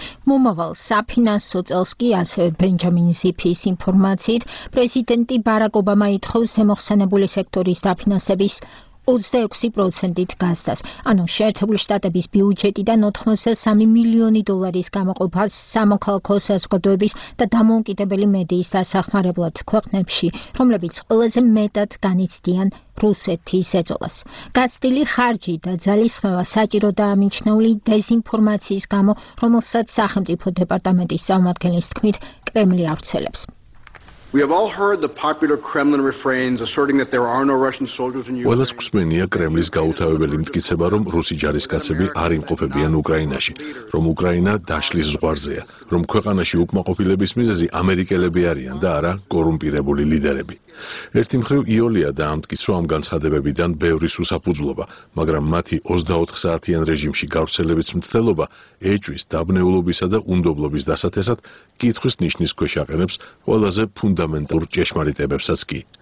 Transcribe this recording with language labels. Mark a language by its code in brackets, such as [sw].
[ka] მომავალ საფინანსო წელს კი, ასევე ბენჯამინ ზიფის ინფორმაციით, პრეზიდენტი ბარაკ ობამა ითხოვს ზემოხსენებული სექტორის დაფინანსების 26%-ით გასდას, ანუ შეერთებული შტატების ბიუჯეტიდან 83 მილიონი დოლარის გამოყოფას სამოქალაქო საზოგადოების და დამოუკიდებელი მედიის დასახმარებლად ქვეყნებში, რომლებიც ყველაზე მეტად განიცდიან რუსეთის ეწოლას. გასდილი ხარჯი და ძალისხმევა საჭირო დაამიჩნეული დეზინფორმაციის გამო, რომელსაც სახელმწიფო დეპარტამენტის წარმომადგენლის თქმით კრემლი ავრცელებს. [en] We have all heard the popular Kremlin refrains asserting that there are no Russian soldiers in Ukraine. [ka] Ყველას გვსმენია კრემლის გაუთავებელი მტკიცება, რომ რუსი ჯარისკაცები არ იმყოფებიან უკრაინაში, რომ უკრაინა დაშლის ზღვარზეა, რომ ქვეყანაში უკმაყოფილების მიზეზი ამერიკელები არიან და არა კორუმპირებული ლიდერები. ერთი მხრივ იოლია და ამტკიცო ამ განცხადებებიდან ბევრი უსაფუძვლობა, მაგრამ მათი 24 საათიან რეჟიმში გავრცელების მცდელობა ეჭვის, დაბნეულობისა და უნდობლობის დასათესად კითხვის ნიშნის ქვეშ აყენებს ყველაზე ფუნდამენტურ ჭეშმარიტებებსაც კი.